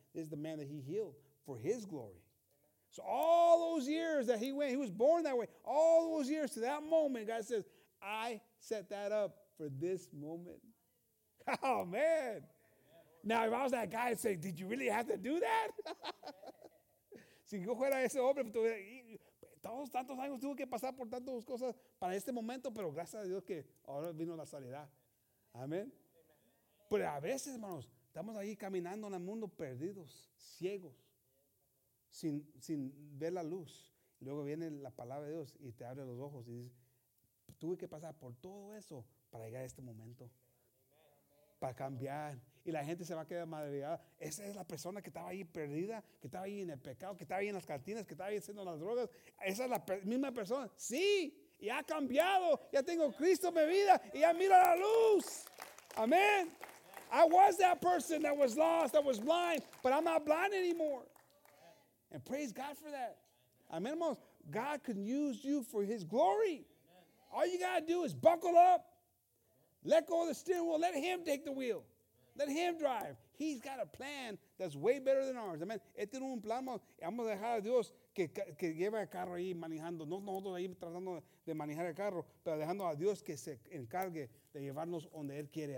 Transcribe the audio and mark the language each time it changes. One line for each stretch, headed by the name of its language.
English: This is the man that he healed for his glory. So all those years that he was born that way, all those years to that moment, God says, I set that up for this moment. Oh, man. Now, if I was that guy, I'd say, did you really have to do that?
Spanish: Si yo fuera ese hombre, todos tantos años tuve que pasar por tantas cosas para este momento, pero gracias a Dios que ahora vino la sanidad. Amén. Pero a veces, hermanos, estamos ahí caminando en el mundo perdidos, ciegos, sin ver la luz. Luego viene la palabra de Dios y te abre los ojos y dices, tuve que pasar por todo eso para llegar a este momento, para cambiar. Y la gente se va a quedar madreada. Esa es la persona que estaba ahí perdida, que estaba ahí en el pecado, que estaba ahí en las cantinas, que estaba ahí haciendo las drogas. Esa es la misma persona. Sí, y ha cambiado. Ya tengo Cristo en mi vida y ya mira la luz. Amén.
English: I was that person that was lost, that was blind, but I'm not blind anymore. And praise God for that.
Spanish: Amén, hermanos.
English: God can use you for his glory. All you got to do is buckle up. Let go of the steering wheel. Let him take the wheel. Let him drive. He's got a plan that's way better than ours. Amen.
Spanish: Este es un plan. Vamos a dejar a Dios que lleve el carro ahí manejando. No nosotros ahí tratando de manejar el carro, pero dejando a Dios que se encargue de llevarnos donde Él quiere.